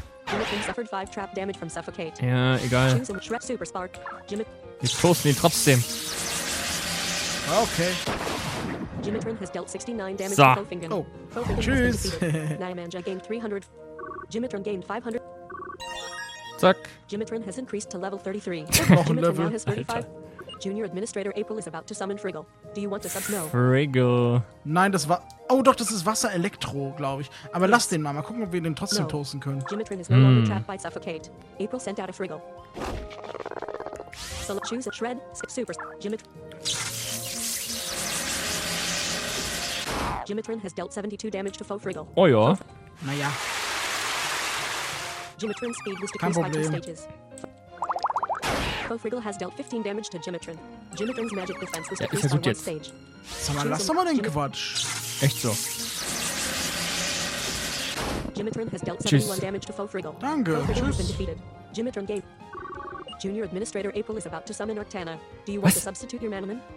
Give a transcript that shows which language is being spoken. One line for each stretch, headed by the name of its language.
English: Jimitrin suffered 5 trap damage from suffocate.
German: Ja, egal.
English: Choose a shred super spark.
German: Wir toasten ihn trotzdem.
English: Okay. Jimitrin has dealt 69 damage to Fofingen.
German: Oh. Fofingen tschüss.
English: Nyamanja gained 300. Jimitrin gained 500.
German: Zack.
English: Jimitrin has increased to level 33. Level. Now has 35.
German: Alter.
English: Junior Administrator April is about to summon Friggle. Do you want to subs? No. Friggle.
German: Nein, das war. Oh doch, das ist Wasser Elektro, glaube ich. Aber lass den mal. Mal gucken, ob wir den trotzdem toasten können.
English: Jimitrin is no longer trapped by suffocate. April sent out a Friggle. So choose a shred. Skip super. Jimitrin. Jimitrin has dealt 72 damage to Fofriggle.
German: Oh ja. Naja.
English: Jimitrin's speed was decreased by 2 stages. Fofriggle has dealt 15 damage to Jimitrin. Jimitrin's magic defense was decreased by 1
German: jetzt.
English: Stage.
German: Sag mal, lass doch mal den Quatsch. Echt so.
English: Jimitrin has dealt 71 damage to Fofriggle.
German: Danke.
English: Fofriggle has been defeated. Jimitrin gave. Junior Administrator April is about to summon Arctana. Do you want to substitute your Manaman?